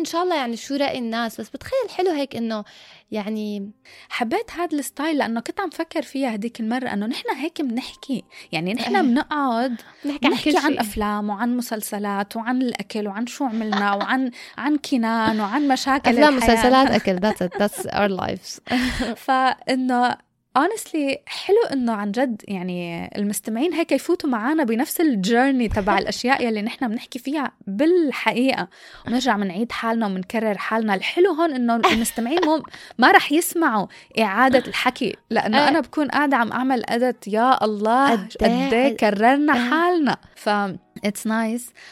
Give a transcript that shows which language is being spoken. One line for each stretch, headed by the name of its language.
Arabic: ونشوف إن شاء الله يعني شو رأي الناس بس بتخيل حلو هيك إنه يعني حبيت هذا الستايل لأنه كنت عم فكر فيها هديك المرة إنه نحنا هيك بنحكي يعني نحنا بنقعد نحكي عن أفلام وعن مسلسلات وعن الأكل وعن شو عملنا وعن عن كنان وعن مشاكل أفلام الحياة. مسلسلات أكل
English: that's our lives
Arabic: فإنه honestly حلو انه عن جد يعني المستمعين هيك يفوتوا معانا بنفس الجيرني تبع الاشياء يلي نحن بنحكي فيها بالحقيقه ونرجع منعيد حالنا ومنكرر حالنا. الحلو هون انه المستمعين ما رح يسمعوا اعاده الحكي لانه انا بكون قاعده عم اعمل ادت يا الله قد ايه كررنا حالنا ف
English: it's nice.